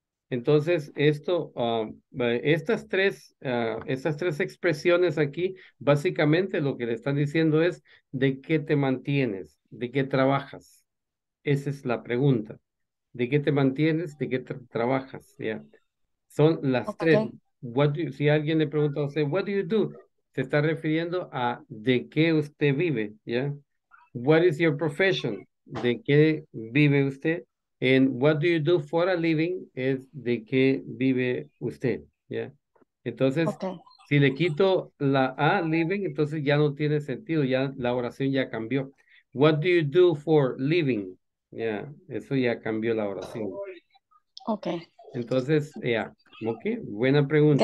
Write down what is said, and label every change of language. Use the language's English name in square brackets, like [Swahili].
[Spanish] Entonces, esto, estas tres expresiones aquí, básicamente lo que le están diciendo es de qué te mantienes, de qué trabajas. Esa es la pregunta. ¿De qué te mantienes? ¿De qué trabajas? ¿Ya? Son las okay. tres. Si alguien le pregunta a usted, [English] what do you do? [Spanish] Se está refiriendo a de qué usted vive. ¿Ya? [English] What is your profession? [Spanish] ¿De qué vive usted? [English] And what do you do for a living? [Spanish] Es de qué vive usted. ¿Ya? Entonces, okay. si le quito la A, living, entonces ya no tiene sentido. Ya la oración ya cambió. [English] What do you do for living? [Spanish] Ya, yeah, eso ya cambió la oración. Ok. Entonces, ya, yeah. Ok, buena pregunta.